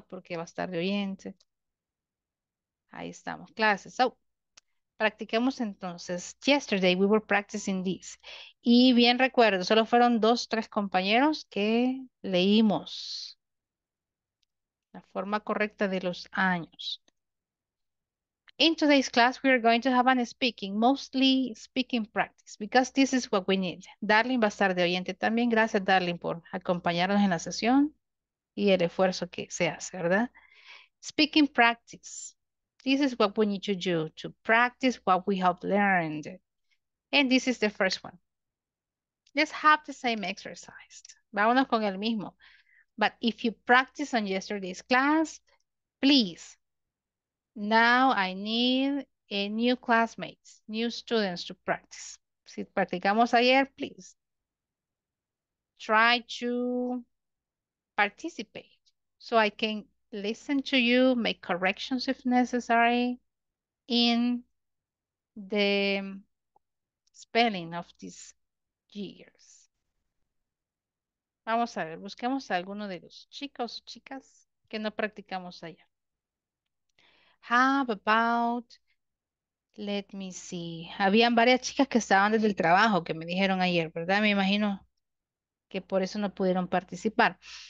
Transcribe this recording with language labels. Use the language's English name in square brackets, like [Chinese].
[Spanish] ¿Por qué va a estar de oyente? Ahí estamos. Clases. [English] So, [Spanish] practiquemos entonces. [English] Yesterday we were practicing this. [Spanish] Y bien recuerdo, solo fueron dos, tres compañeros que leímos la forma correcta de los años. [English] In today's class, we are going to have an speaking, mostly speaking practice, because this is what we need. [Spanish] Darling va a estar de oyente también. Gracias, Darling, por acompañarnos en la sesión y el esfuerzo que se hace, ¿verdad? [English] Speaking practice. This is what we need to do to practice what we have learned. And this is the first one. Let's have the same exercise. [Spanish] Vámonos con el mismo. [English] But if you practice on yesterday's class, please. Now I need a new classmates, new students to practice. [Spanish] Si practicamos ayer, [English] please. Try to participate so I can listen to you, make corrections if necessary in the spelling of these years. [Spanish] Vamos a ver, busquemos a alguno de los chicos o chicas que no practicamos allá. [English] How about, let me see. [Spanish] Habían varias chicas que estaban desde el trabajo que me dijeron ayer, ¿verdad? Me imagino que por eso no pudieron participar.